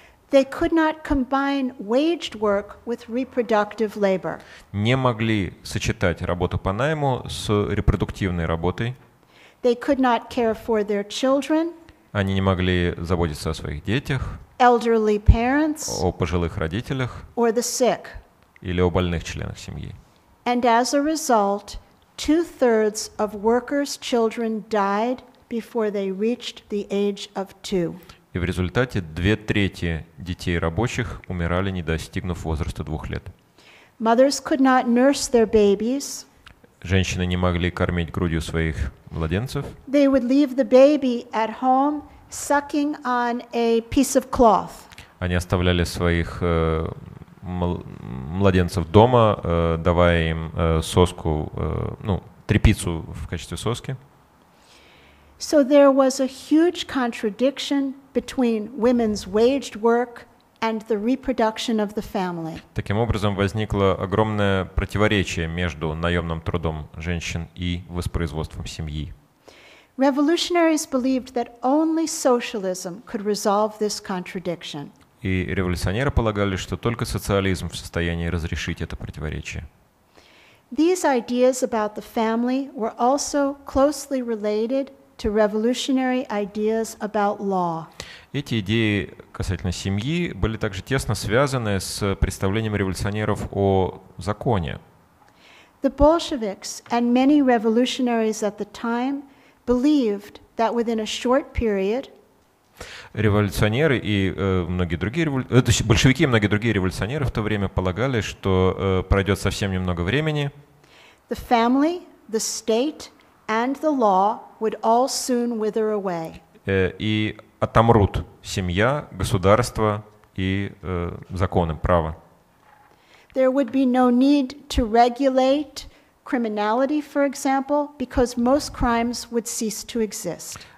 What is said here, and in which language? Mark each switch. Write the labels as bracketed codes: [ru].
[en] they could not combine waged work with reproductive labor. [ru] Не могли сочетать работу по найму с репродуктивной работой. [en] They could not care for their children. [ru] Они не могли заботиться о своих детях. [en] Elderly parents. [ru] О пожилых родителях. [en] Or the sick. [ru] Или о больных членах семьи. [en] And as a result, 2/3 of workers' children died before they reached the age of 2. [ru] И в результате 2/3 детей рабочих умирали, не достигнув возраста 2 лет. [en] Mothers could not nurse their babies. [ru] Женщины не могли кормить грудью своих младенцев. [en] They would leave the baby at home, sucking on a piece of cloth. [ru] Они оставляли своих младенцев дома, давая им соску, ну, тряпицу в качестве соски. [en] So there was a huge contradiction between women's waged work and the reproduction of the family. [ru] Таким образом, возникло огромное противоречие между наемным трудом женщин и воспроизводством семьи. [en] Revolutionaries believed that only socialism could resolve this contradiction. [ru] И революционеры полагали, что только социализм в состоянии разрешить это противоречие. [en] These ideas about the family were also closely related to revolutionary ideas about law. [ru] Эти идеи касательно семьи были также тесно связаны с представлением революционеров о законе. [en] The Bolsheviks and many revolutionaries at the time believed that within a short period. [ru] Революционеры и многие другие большевики и многие другие революционеры в то время полагали, что пройдет совсем немного времени. [en] The family, the state, and the law would all soon wither away. [ru] И отомрут семья, государство и законы, право. [en] There would be no need to regulate criminality, for example, because most crimes would cease to exist.